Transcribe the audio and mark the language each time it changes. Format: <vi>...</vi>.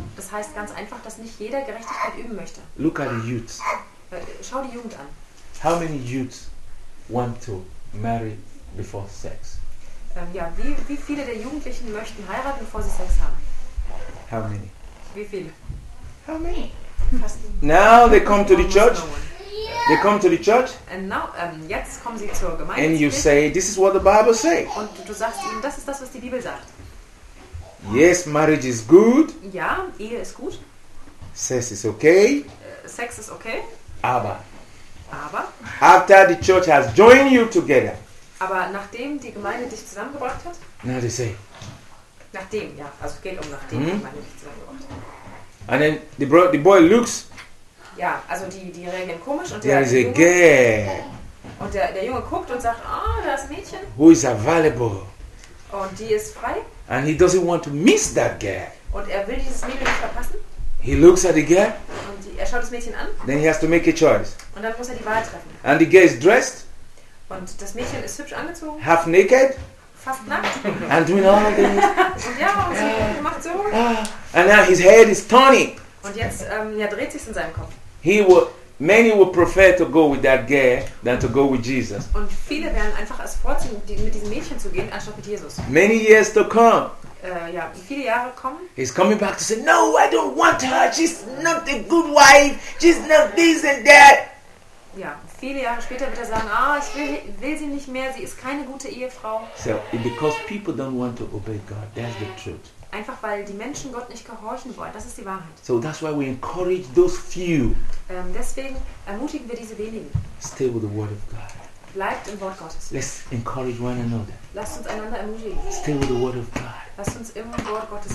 <de>Das heißt ganz einfach, dass nicht jeder Gerechtigkeit üben möchte.</de> <en>Look at the youths.</en> <de>Schau die Jugend an.</de> <en>How many youths want to marry before sex?</en> <de>Wie viele der Jugendlichen möchten heiraten, bevor sie Sex haben?</de> <en>How many?</en> <de>Wie viele?</de> <en>How many? Now they come to the church. They come to the church. And now,</en> <de>jetzt kommen sie zur Gemeinde.</de> <en>And you say, this is what the Bible says.</en> <de>Und du sagst ihnen, das ist das, was die Bibel sagt.</de> <en>Yes, marriage is good.</en> <de>Ja, Ehe ist gut.</de> <en>Sex is okay.</en> <de>Sex ist okay. Aber.</de> <en>After the church has joined you together.</en> <de>Aber nachdem die Gemeinde dich zusammengebracht hat.</de> <en>Now they say.</en> <de>Nachdem, ja, also geht um nachdem die Gemeinde dich zusammengebracht hat.</de> <en>And then the boy looks.</en> <de>Ja, also die reagieren komisch und</de> <en>there</en> <de>der</de> <en>is a Junge, girl.</en> <de>Und der Junge guckt und sagt, oh, da ist ein Mädchen.</de> <en>Who is available?</en> <de>Und die ist frei.</de> <en>And he doesn't want to miss that girl.</en> <de>Und er will dieses Mädchen nicht verpassen.</de> <en>He looks at the girl.</en> <de>Und er schaut das Mädchen an.</de> <en>Then he has to make a choice.</en> <de>Und dann muss er die Wahl treffen.</de> <en>And the girl is dressed.</en> <de>Und das Mädchen ist hübsch angezogen.</de> <en>Half naked.</en> <de>Fast nackt.</de> <en>And doing all things.</en> <de>Ja, und sie macht so.</de> <en>And now his head is turning.</en> <de>Und jetzt dreht sich's in seinem Kopf.</de> <en>Many would prefer to go with that girl than to go with Jesus.</en> <de>Und viele werden einfach es vorziehen, mit diesem Mädchen zu gehen, anstatt mit Jesus.</de> <en>Many years to come.</en> <de>Viele Jahre kommen.</de> <en>He's coming back to say, no, I don't want her. She's not the good wife. She's not this and that.</en> <de>Ja, viele Jahre später wird er sagen, ich will sie nicht mehr, sie ist keine gute Ehefrau.</de> <en>So, because people don't want to obey God, that's the truth.</en> <de>Einfach weil die Menschen Gott nicht gehorchen wollen, das ist die Wahrheit.</de> <en>So that's why we encourage those few.</en> <de>Deswegen ermutigen wir diese wenigen.</de> <en>Stay with the word of God.</en> <de>Bleibt im Wort Gottes.</de> <en>Let's encourage one another.</en> <de>Lasst uns einander ermutigen.</de> <en>Stay with the word of God.</en> <de>Lasst uns im Wort Gottes</de>